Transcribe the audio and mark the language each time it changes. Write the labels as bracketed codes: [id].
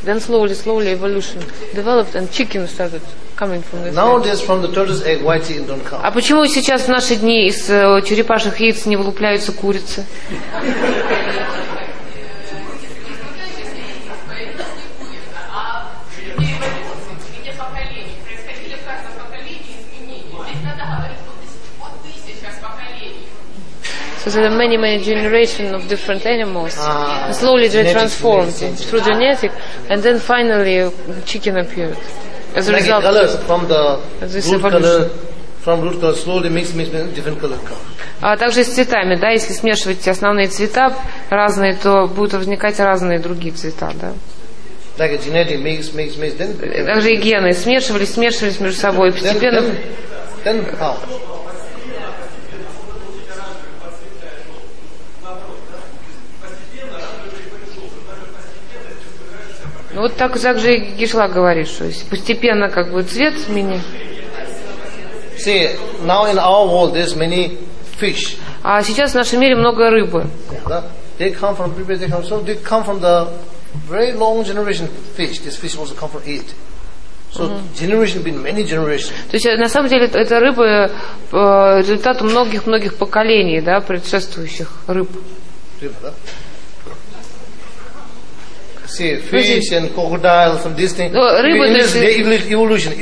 [en] Then slowly evolution developed and chicken started coming from this. Nowadays eggs. From the turtle's egg, white chicken don't come. [ru] А почему сейчас в наши дни из черепашьих яиц не вылупляются курицы? [en] So there are many, many generations of different animals. Slowly they transformed through genetic, and then finally chicken appeared. As a result, colors from the root color slowly mix different color come. [ru] Также с цветами, да? Если смешивать основные цвета разные, то будут возникать разные другие цвета, да? [en] Like a genetic mix, then. [ru] Также и гены смешивались между собой, постепенно. [en] Then how? [ru] Вот так же и Гишла говорит, что постепенно как бы цвет сменит. [en] See, now in our world there's many fish. [ru] А сейчас в нашем мире много рыбы. [en] They come from people, they come from the very long generation fish. This fish also come from it. So generation been many generations. [ru] То есть на самом деле эта рыба результат многих поколений, да, предшествующих рыб. [en] See, fish and crocodile, some these things. [ru] Но рыбы, [en] evolution.